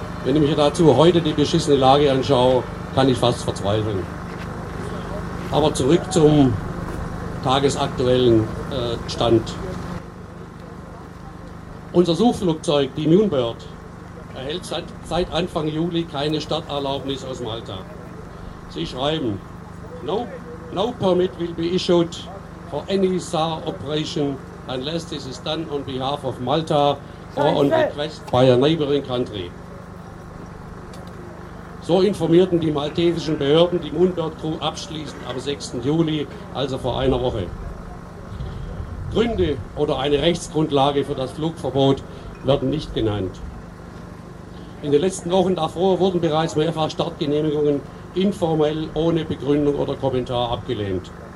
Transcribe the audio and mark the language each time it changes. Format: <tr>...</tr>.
<de>Wenn ich mir dazu heute die beschissene Lage anschaue, kann ich fast verzweifeln. Aber zurück zum tagesaktuellen Stand. Unser Suchflugzeug, die Moonbird, erhält seit Anfang Juli keine Starterlaubnis aus Malta. Sie schreiben,</de> <en>no permit will be issued for any SAR operation unless this is done on behalf of Malta or on request by a neighboring country.</en> <de>So informierten die maltesischen Behörden die Moonbird Crew abschließend am 6. Juli, also vor einer Woche. Gründe oder eine Rechtsgrundlage für das Flugverbot werden nicht genannt. In den letzten Wochen davor wurden bereits mehrfach Startgenehmigungen informell ohne Begründung oder Kommentar abgelehnt.</de>